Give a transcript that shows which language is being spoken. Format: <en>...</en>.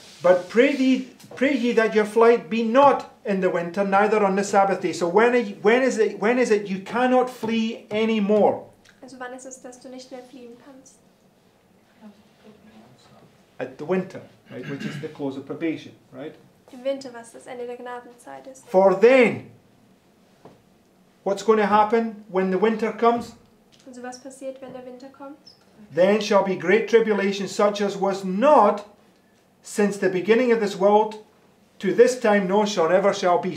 <en>But pray ye that your flight be not in the winter, neither on the Sabbath day. So when is it you cannot flee anymore?</en> <de>Also wann ist es, dass du nicht mehr fliehen kannst?</de> <en>At the winter, right, which is the close of probation, right?</en> <de>Im Winter, was das Ende der Gnadenzeit ist.</de> <en>For then, what's going to happen when the winter comes?</en> <de>Also was passiert, wenn der Winter kommt?</de> <en>Then shall be great tribulation such as was not since the beginning of this world to this time, nor shall ever shall be.</en>